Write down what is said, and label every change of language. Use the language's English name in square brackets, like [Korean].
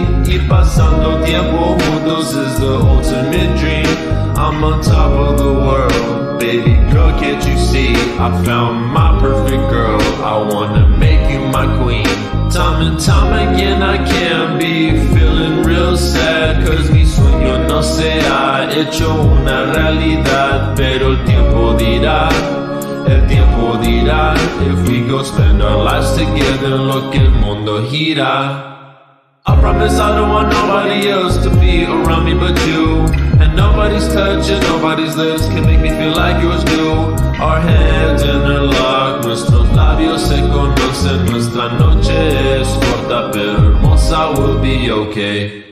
[Spanish] Y pasando tiempo juntos [English] is the ultimate dream. I'm on top of the world. Baby girl, can't you see? I found my perfect girl. I wanna make you my queen. Time and time again, I can be feeling real sad. Cause [Spanish] mi sueño no se ha hecho una realidad. Pero el tiempo dirá, el tiempo dirá. [English] If we go spend our lives together, [Spanish] lo que el mundo gira. [English] I promise I don't want nobody else to be around me but you. And nobody's touch and nobody's lips can make me feel like yours do. Our hands interlock, [Spanish] nuestros labios se conocen. Nuestra noche es corta, pero hermosa, [English] will be okay.